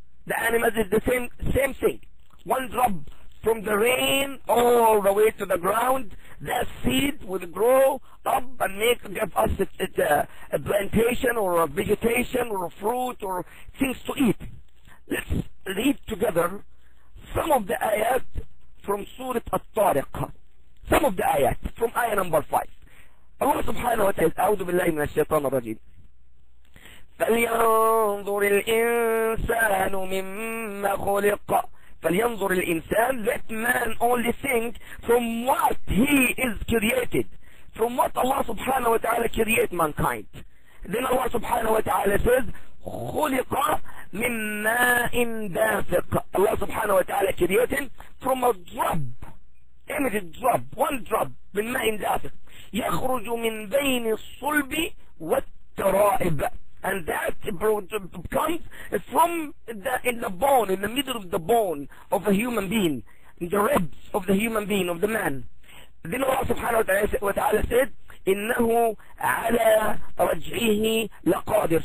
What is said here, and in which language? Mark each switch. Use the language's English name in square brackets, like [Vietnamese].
[English] The animals is the same thing. One drop from the rain all the way to the ground, that seed will grow up and make give us a plantation or a vegetation or a fruit or things to eat. Let's read together some of the ayat from Surah At-Tariq. Some of the ayat from ayah number 5. [Arabic] Allah subhanahu wa ta'ala, أعوذ بالله من الشيطان الرجيم. فلينظر الإنسان مما خلق. فلينظر الإنسان, [English] let man only think from what he is created, from what Allah subhanahu wa ta'ala create mankind. Then Allah subhanahu wa ta'ala says, [Arabic] خلق من ماء دافق. [English] Allah subhanahu wa ta'ala created from a drop. Image drop, one drop, [Arabic] من ماء دافق. يخرج من بين الصلب والترائب. [English] And that comes from in the bone, in the middle of the bone of a human being, in the ribs of the human being, of the man. Then Allah subhanahu wa ta'ala said, [Arabic] إِنَّهُ عَلَىٰ رَجْعِهِ لَقَادِرٍ.